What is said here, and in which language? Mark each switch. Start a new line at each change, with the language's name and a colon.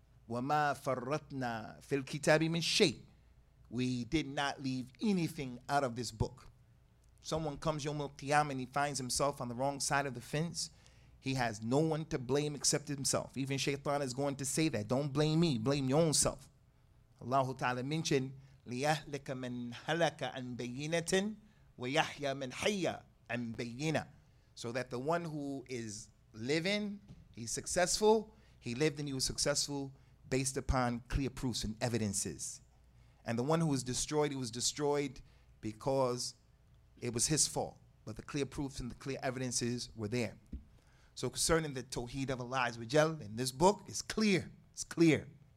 Arabic: وَمَا فَرَّتْنَا فِي الْكِتَابِ مِنْ شَيْءٍ.
English: We did not leave anything out of this book. Someone comes Yawm al-Qiyamah and he finds himself on the wrong side of the fence. He has no one to blame except himself. Even Shaytan is going to say that. Don't blame me. Blame your own self. Allahu Ta'ala mentioned,
Arabic: لِيَهْلِكَ مَنْ هَلَكَ عَنْ بَيِّنَةٍ وَيَحْيَ مَنْ حَيَّ عَنْ بَيِّنَةٍ.
English: So that the one who is living, he's successful. He lived and he was successful based upon clear proofs and evidences. And the one who was destroyed, he was destroyed because it was his fault. But the clear proofs and the clear evidences were there. So concerning the Tawheed of Allah Azza wa Jal in this book, it's clear. It's clear.